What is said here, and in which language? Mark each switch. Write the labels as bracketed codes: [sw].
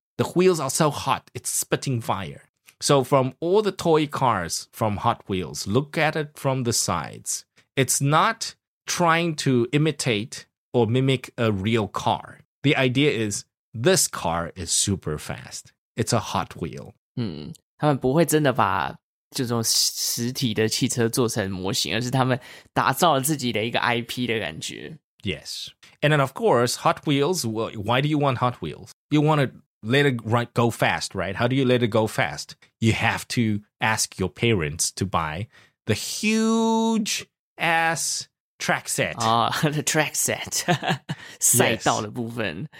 [en] The wheels are so hot, it's spitting fire. So from all the toy cars from Hot Wheels, look at it from the sides. It's not trying to imitate or mimic a real car. The idea is this car is super fast. It's a Hot Wheel. [zh] 他们不会真的把这种实体的汽车做成模型，而是他们打造了自己的一个 IP 的感觉。 [en] Yes. And then, of course, Hot Wheels, why do you want Hot Wheels? You want to let it go fast, right? How do you let it go fast? You have to ask your parents to buy the huge... as track set. Oh, the track set. [zh] 赛道的部分。